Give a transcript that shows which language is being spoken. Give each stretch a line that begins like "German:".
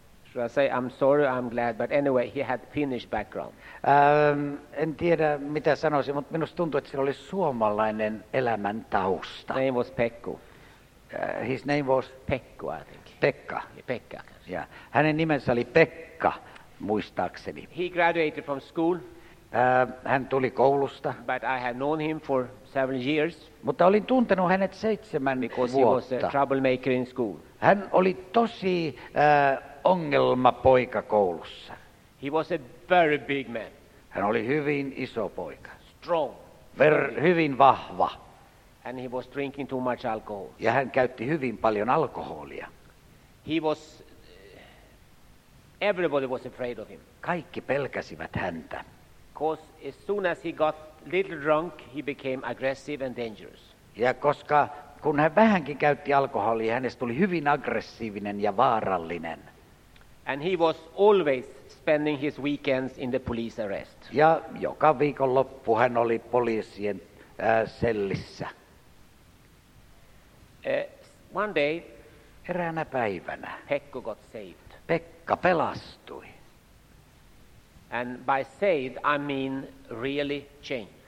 English: Should I say I'm sorry, I'm glad, but anyway, he had Finnish background.
Finnish: En tiedä mitä sanoisin, mutta minusta tuntui, että se oli suomalainen elämäntausta.
English: His name was Pekku. His name was Pekku, I think. Pekka. Yeah, Pekka. Yeah.
Finnish: Hänen nimensä oli Pekka, muistaakseni.
English: He graduated from school.
Finnish: Hän tuli koulusta.
English: But I had known him for several years.
Finnish: Mutta olin tuntenut hänet 7
English: because
Finnish: vuotta.
English: He was a troublemaker in school.
Finnish: Hän oli tosi ongelma poika koulussa.
English: He was a very big man.
Finnish: Hän oli hyvin iso poika.
English: Strong.
Finnish: Hyvin vahva.
English: And he was drinking too much alcohol.
Finnish: Ja hän käytti hyvin paljon alkoholia.
English: He was everybody was afraid of him.
Finnish: Kaikki pelkäsivät häntä.
English: Because as soon as he got little drunk, he became aggressive and dangerous.
Finnish: Ja koska kun hän vähänkin käytti alkoholia, hänestä tuli hyvin aggressiivinen ja vaarallinen.
English: And he was always spending his weekends in the police arrest.
Finnish: Ja joka viikonloppu hän oli poliisien sellissä.
English: One day,
Finnish: eräänä päivänä,
English: Pekko got saved.
Finnish: Pekka pelastui.
English: And by saved, I mean really changed.